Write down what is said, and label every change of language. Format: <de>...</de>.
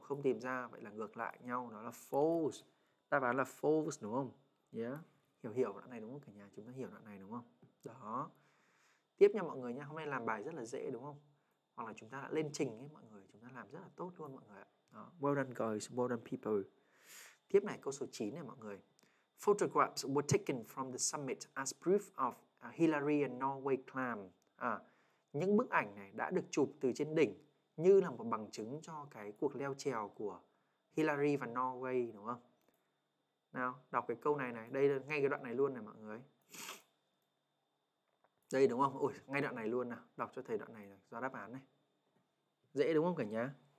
<vi>Không tìm ra, vậy là ngược lại nhau, đó là false. Đáp án là false, đúng không? Yeah. Hiểu đoạn này đúng không cả nhà? Chúng ta hiểu đoạn này đúng không? Đó. Tiếp nha mọi người nha, hôm nay làm bài rất là dễ đúng không? Hoặc là chúng ta đã lên trình ấy mọi người, chúng ta làm rất là tốt luôn mọi người ạ. Đó.</vi> <en>Well done guys, well done people.</en> <vi>Tiếp này, câu số 9 này mọi người.</vi> <en>Photographs were taken from the summit as proof of Hillary and Norway claim.</en> <vi>À, những bức ảnh này đã được chụp từ trên đỉnh như là một bằng chứng cho cái cuộc leo trèo của Hillary và Norway đúng không? Nào, đọc cái câu này này, đây là ngay cái đoạn này luôn này mọi người. Đây đúng không? Ôi, ngay đoạn này luôn nào, đọc cho thầy đoạn này ra đáp án này. Dễ đúng không cả nhà?</vi>